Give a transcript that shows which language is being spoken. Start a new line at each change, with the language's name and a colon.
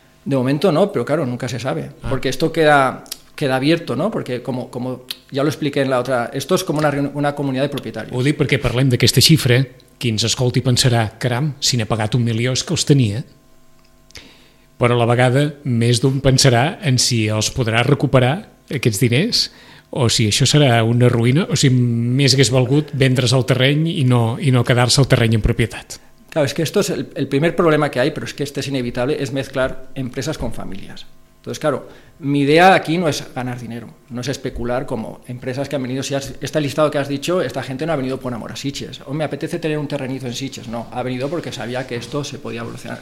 Spanish: De momento no, pero claro, nunca se sabe. Ah. Porque esto queda abierto, ¿no? Porque como ya lo expliqué en la otra, esto es como una comunidad de propietarios.
Catalan: Ho dic perquè parlem d'aquesta xifra, qui ens escolti pensarà, caram, si n'ha pagat 1 milió és que els tenia. Però a la vegada més d'un pensarà en si els podrà recuperar aquests diners o si això serà una ruïna o si més hagués valgut vendre's el terreny i no quedar-se el terreny en propietat.
Spanish: Claro, es que esto es el primer problema que hay, pero es que este es inevitable, es mezclar empresas con familias. Entonces, claro, mi idea aquí no es ganar dinero, no es especular como empresas que han venido. Este listado que has dicho, esta gente no ha venido por amor a Sitges. O me apetece tener un terrenito en Sitges. No, ha venido porque sabía que esto se podía evolucionar.